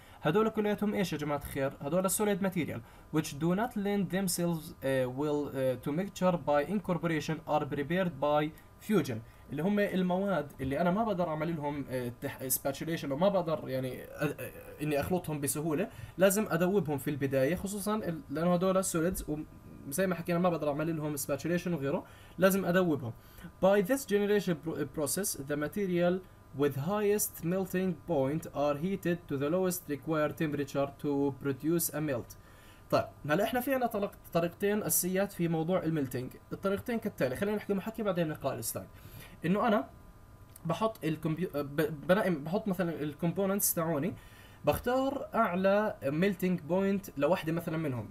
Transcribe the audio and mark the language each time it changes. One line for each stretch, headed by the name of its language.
Arabic: هدول كلياتهم ايش يا جماعه خير؟ هدول سوليد ماتيريال
English: which do not lend themselves will to mixture by incorporation or prepared by fusion،
Arabic: اللي هم المواد اللي انا ما بقدر اعمل لهم سباتشوليشن وما بقدر يعني اني اخلطهم بسهوله، لازم ادوبهم في البدايه خصوصا لانه هدول سوليدز زي ما حكينا ما بقدر اعمل لهم سباتشوليشن وغيره، لازم ادوبهم.
English: By this generation process the material with highest melting point are heated to the lowest required temperature to produce a melt.
Arabic: طيب هلا احنا في عنا طريقتين اساسيات في موضوع الميلتينج، الطريقتين كالتالي، خلينا نحكي حكي بعدين نقرا السلايد. انه انا بحط بحط مثلا الكومبوننتس تاعوني، بختار اعلى ميلتينج بوينت لوحده مثلا منهم.